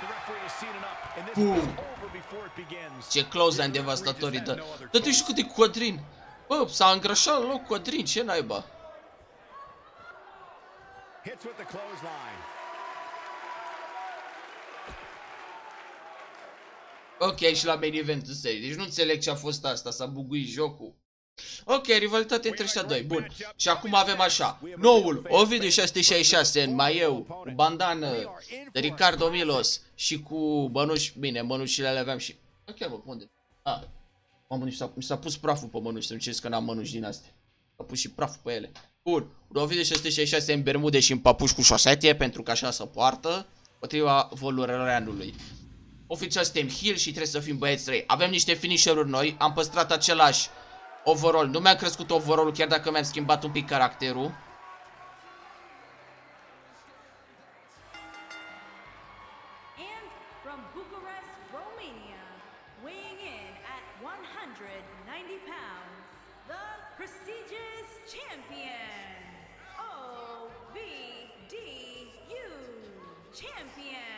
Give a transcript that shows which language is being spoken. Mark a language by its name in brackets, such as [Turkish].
[English] The referee has seen enough and this is over before it begins. [Romanian] Ce [English] close and devastator [Romanian] îi dă. Dă-te și cu de Codrin. Bă, s-a îngrășat în loc Codrin, ce naiba. [English] Hits with the close line. [Romanian] Ok, și la main event în serie. Deci nu înțeleg ce a fost asta, s-a buguit jocul. Ok, rivalitate între ăștia doi. Bun. Și acum avem așa. Noul Ovidiu 666 în maieu, cu bandană de Ricardo Milos și cu mănuși. Bine, mănușile le aveam și... Ok, bă, unde? Ah, mi s-a pus praful pe mănuși, să nu știți că n-am mănuși din astea. S-a pus și praful pe ele. Bun. Ovidiu 666 în bermude și în papuși cu șosete, pentru că așa se poartă, potriva volurilor anului. Oficial suntem heel și trebuie să fim băieți răi. Avem niște finisher-uri noi, am păstrat același overall. Nu mi-am crescut overall-ul chiar dacă mi-am schimbat un pic caracterul. [English] And from Bucharest, Romania, weighing in at 190 pounds, the prestigious champion, OVDU champion.